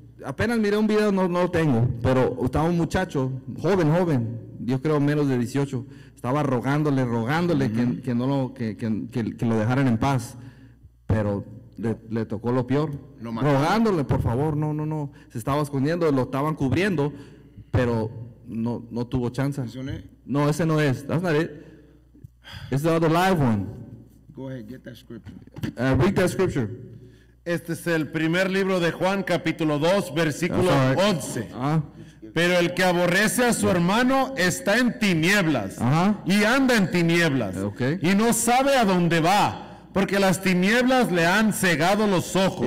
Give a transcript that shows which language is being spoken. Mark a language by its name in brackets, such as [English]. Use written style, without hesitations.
[Spanish] Apenas miré un video, no lo tengo, pero estaba un muchacho, joven, yo creo menos de 18, estaba rogándole uh-huh. que lo dejaran en paz, pero le tocó lo peor, lo rogándole, por favor, no, se estaba escondiendo, lo estaban cubriendo, pero no tuvo chance. ¿Mencioné? No, ese no es, [English] that's not it, it's the other live one. Go ahead, get that scripture. Read that scripture. [Spanish] Este es el primer libro de Juan, capítulo 2, versículo 11. Pero el que aborrece a su hermano está en tinieblas y anda en tinieblas y no sabe a dónde va, porque las tinieblas le han cegado los ojos.